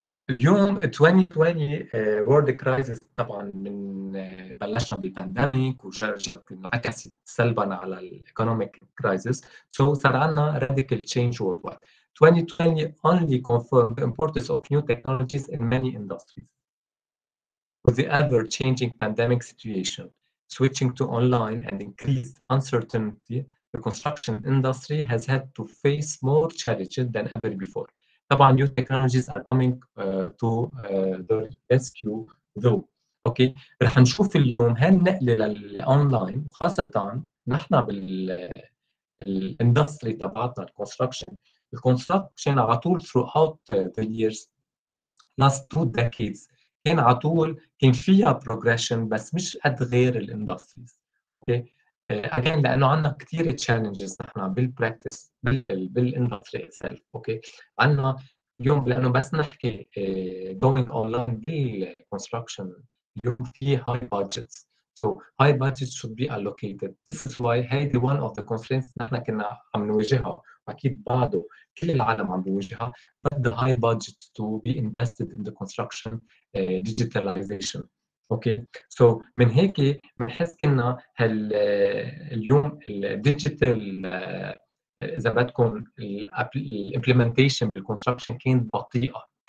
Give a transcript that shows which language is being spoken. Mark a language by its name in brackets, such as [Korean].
[Arabic] اليوم 2020 وورد كرايسيس طبعا من بلشنا بالبانديميك وشرجت انه عكست سلبا على الايكونوميك كرايسيس سو صار عندنا راديكال تشينج وورلد وايد. [English] 2020 only confirmed the importance of new technologies in many industries. With the ever-changing pandemic situation, switching to online and increased uncertainty, the construction industry has had to face more challenges than ever before. طبعاً new technologies are coming to the rescue though. [Arabic] Okay, رح نشوف اليوم هالنقلة للأونلاين خاصة نحن بالإندستري تبعتنا الكونستراكشن. الكونستراكشن على طول [English] throughout the years, last two decades, [Arabic] كان على طول كان فيها progression بس مش قد غير الإندستريز. Okay. Again, لأنه عنا كتير challenges نحن بالpractice بالindustry itself. Okay. عنا يوم لأنه بس نحكي [English] going online [Arabic] بالconstruction يوم في high budgets. [English] So high budgets should be allocated. This is why هيدي one of the constraints [Arabic] نحن كنا عم نواجهها. أكيد بعده كل العالم عم بيواجهها. [English] But the high budgets to be invested in the construction digitalization. [Arabic] Okay, so من هيك بنحس كنا اليوم الديجيتال إذا بدكم الإمبلمنتيشن بالكونستراكشن كانت بطيئة.